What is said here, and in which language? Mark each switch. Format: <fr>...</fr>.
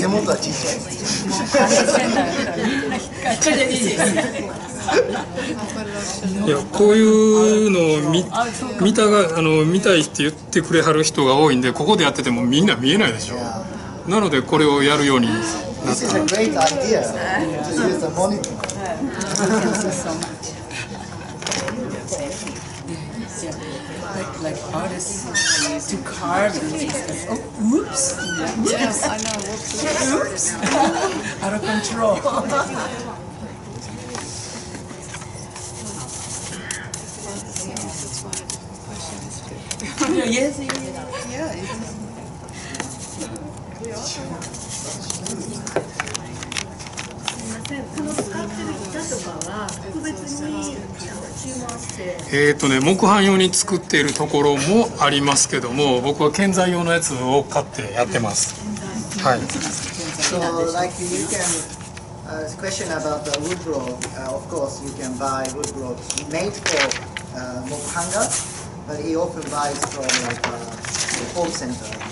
<ja>手元は小さい。いや、こういうのを 見たいって言ってくれはる人が多いんで、ここでやっててもみんな見えないでしょ。なのでこれをやるようになった。</ja> <en>This is a great idea to use the monitor. Thank you so much. Like artists to carve and things. Oh, whoops! Yes, I know. Whoops! Out of control.</en> <ja>ね、木版用に作っているところもありますけども、僕は建材用のやつを買ってやってます。はい。</ja> <en>So like you can, question about the wood block. Of course, you can buy wood block made for mokuhanga, but he often buys from like the home center.</en>